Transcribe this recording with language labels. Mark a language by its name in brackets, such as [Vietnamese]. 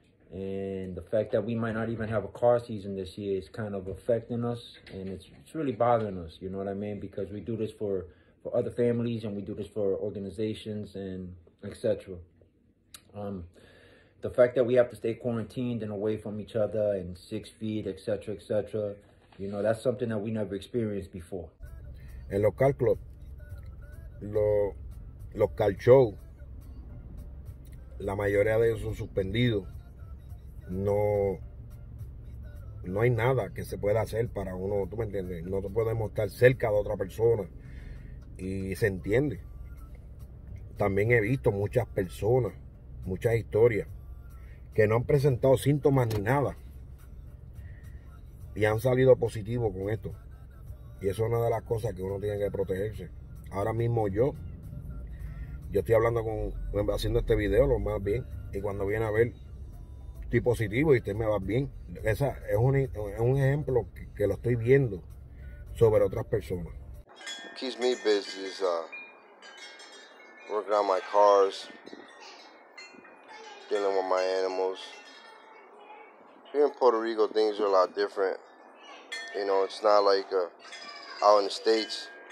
[English] And the fact that we might not even have a car season this year is kind of affecting us, and it's really bothering us, you know what I mean? Because we do this for other families, and we do this for organizations and et cetera. The fact that we have to stay quarantined and away from each other and 6 feet, et cetera, you know, that's something that we never experienced before. [Spanish] El local club, local show, la mayoría de ellos son suspendidos. No hay nada que se pueda hacer para uno, tú me entiendes, no te podemos estar cerca de otra persona y se entiende. También he visto muchas personas, muchas historias que no han presentado síntomas ni nada y han salido positivos con esto, y eso es una de las cosas que uno tiene que protegerse. Ahora mismo yo estoy hablando con, haciendo este video lo más bien, y cuando viene a ver estoy positivo y usted me va bien. Esa es un ejemplo que lo estoy viendo sobre otras personas. [English] What keeps me busy is working on my cars, dealing with my animals. Here in Puerto Rico, things are a lot different. You know, it's not like out in the States.